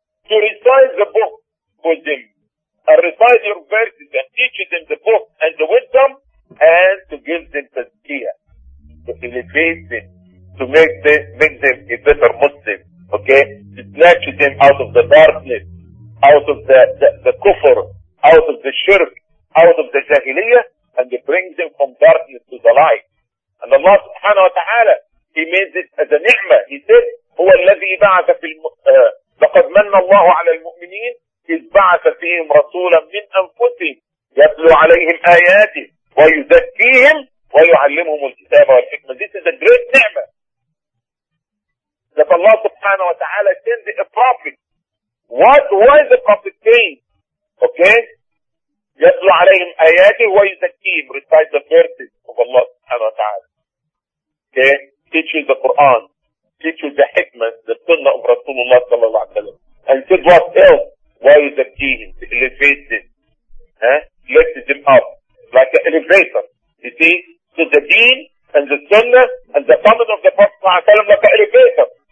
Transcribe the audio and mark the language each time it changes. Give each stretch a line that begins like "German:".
English: to recite the book for them, and recite your verses and teach them the book and the wisdom, and to give them tazkiyah, to elevate them, to make them a better Muslim, okay? To snatch them out of the darkness, out of the kufr, out of the shirk, out of the jahiliyyah, and to bring them from darkness to the light. And Allah subhanahu wa ta'ala, He made this as a ni'mah. He said,
Arabic: هو الذي بعث في لقد من الله على المؤمنين إذ بعث فيهم رسولا من أنفسهم يتلو عليهم آياته ويزكيهم ويعلمهم الكتاب والحكمة.
English: This is a great ni'mah that Allah subhanahu wa ta'ala sent a prophet. What? Why the prophet came? Okay?
Arabic: يتلو عليهم آياته ويزكيهم.
English: Recite the verses of Allah subhanahu wa ta'ala. Okay? Teaches the Quran, teaches the hikmah, the sunnah of Rasulullah sallallahu alaihi wasallam, and said what else? Why is the key? To elevate them, huh? Lift them up like an elevator. You see, so the deen and the sunnah and the coming of the Prophet sallallahu alaihi wasallam like an elevator.